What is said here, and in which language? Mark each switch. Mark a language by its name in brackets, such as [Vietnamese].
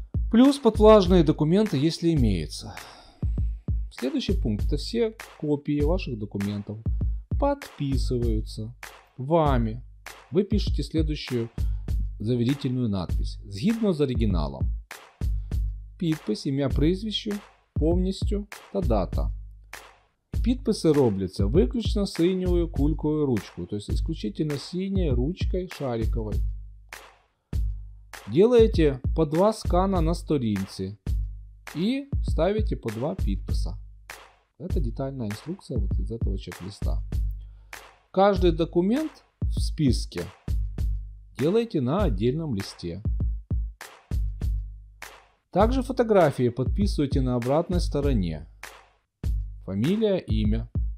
[Russian] Плюс подвлажные документы, если имеются. Следующий пункт – это все копии ваших документов подписываются вами. Вы пишете следующую заверительную надпись. [Ukrainian] Згідно з оригиналом. Підпис, ім'я, прізвище, повністю та дата. Підписи робляться виключно синьою кулькою ручкою, [Russian] то есть исключительно синей ручкой шариковой. Делаете по 2 скана на [Ukrainian] сторінці і ставите по 2 підписи. [Russian] Это детальная инструкция вот из этого чек-листа. Каждый документ в списке делайте на отдельном листе. Также фотографии подписывайте на обратной стороне. Фамилия, имя.